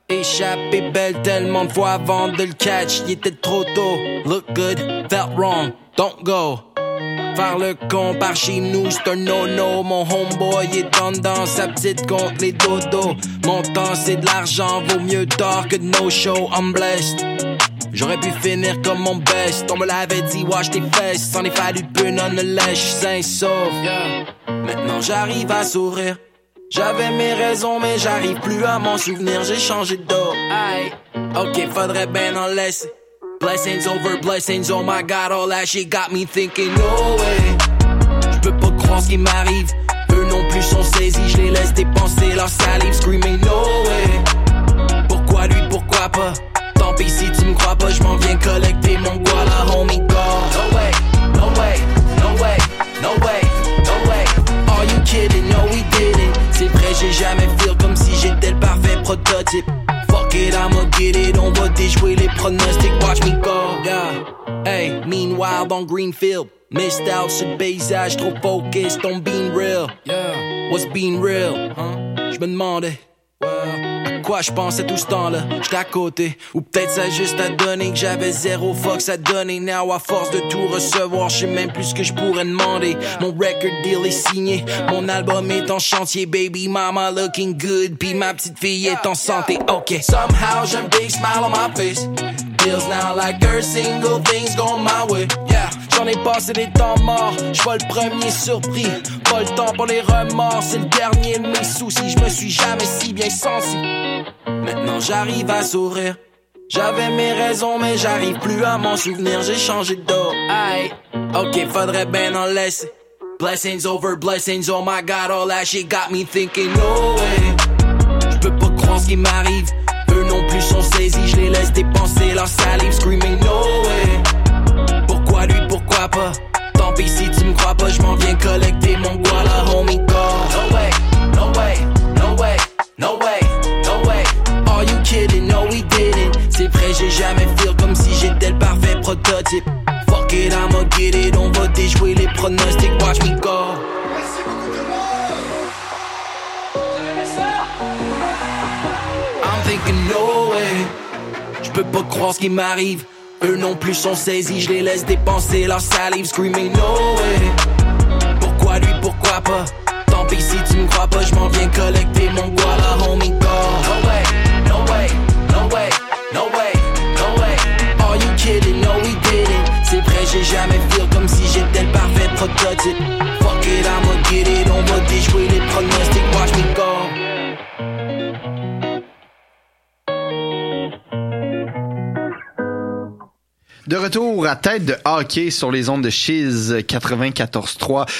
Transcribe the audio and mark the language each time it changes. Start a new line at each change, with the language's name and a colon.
French: Échappé belle tellement de fois avant de le catch. Il était trop tôt.
English: Look good, felt wrong, don't go.
French: Faire le con par chez nous, c'est un no-no. Mon homeboy est tendance, sa petite contre les dodos. Mon temps c'est de l'argent, vaut mieux tard que
English: no show. I'm blessed.
French: J'aurais pu finir comme mon best. On me l'avait dit, wash tes fesses. S'en est fallu peu, non, ne lèche, saint sauf. Maintenant j'arrive à sourire. J'avais mes raisons, mais j'arrive plus à m'en souvenir. J'ai changé d'eau. Aïe, ok, faudrait ben en laisser.
English: Blessings over blessings, oh my god, all that shit got me thinking. No way,
French: j'peux pas croire ce qui m'arrive. Eux non plus sont saisis, j'les laisse dépenser leur salive.
English: Screaming no way,
French: pourquoi lui, pourquoi pas. Tant pis si tu m'crois pas, j'm'en viens collecter mon guala,
English: homie gone. No way, no way, no way, no way, no way. Are you kidding, no we did it.
French: C'est vrai, j'ai jamais feel comme si j'étais le parfait prototype.
English: Fuck it, I'ma get it,
French: on va déjouer les pronostics.
English: Watch me go, yeah. Hey, meanwhile, dans Greenfield. Missed out,
French: ce paysage trop
English: focused on being real. Yeah, what's being real, huh?
French: J'me demandais, well, à quoi j'pensais tout ce temps-là. J'étais à côté, ou peut-être ça juste à donner que j'avais zéro fucks à donner. Now, à force de tout recevoir, j'sais même plus ce que j'pourrais demander. Mon record deal est signé, mon album est en chantier.
English: Baby mama looking good,
French: pis ma petite fille est en santé, ok.
English: Somehow,
French: j'ai un
English: big smile on my face. Feels now like her single things going my way, yeah.
French: J'en ai passé des temps morts, j'vois le premier surpris. Pas le temps pour les remords, c'est le dernier de mes soucis. J'me suis jamais si bien senti. Maintenant j'arrive à sourire. J'avais mes raisons, mais j'arrive plus à m'en souvenir. J'ai changé d'eau, aïe. Ok, faudrait ben en laisser.
English: Blessings over blessings, oh my god, all that shit got me thinking. No way,
French: j'peux pas croire ce qui m'arrive. Eux non plus sont saisis, j'les laisse dépenser leur salive.
English: Screaming no way.
French: Lui pourquoi pas. Tant pis si tu m'crois pas. J'm'en viens collecter mon guala,
English: homie gone. No way, no way, no way, no way, no way. Are you kidding, no we didn't.
French: C'est vrai j'ai jamais feel comme si j'étais le parfait prototype.
English: Fuck it, I'ma get it.
French: On va déjouer les pronostics.
English: Watch me go. I'm thinking no way.
French: J'peux pas croire ce qui m'arrive. Eux non plus sont saisis, je les laisse dépenser leur salive.
English: Screaming no way.
French: Pourquoi lui, pourquoi pas. Tant pis si tu me crois pas, je m'en viens collecter mon guala,
English: homie gone. No way, no way, no way, no way, no way. Are you kidding, no we didn't.
French: C'est vrai, j'ai jamais feel comme si j'étais le parfait prototype.
English: Fuck it, I'ma get it,
French: on va déjouer les pronostics.
English: Watch me go.
French: De retour à tête de hockey sur les ondes de Chiz 94.3.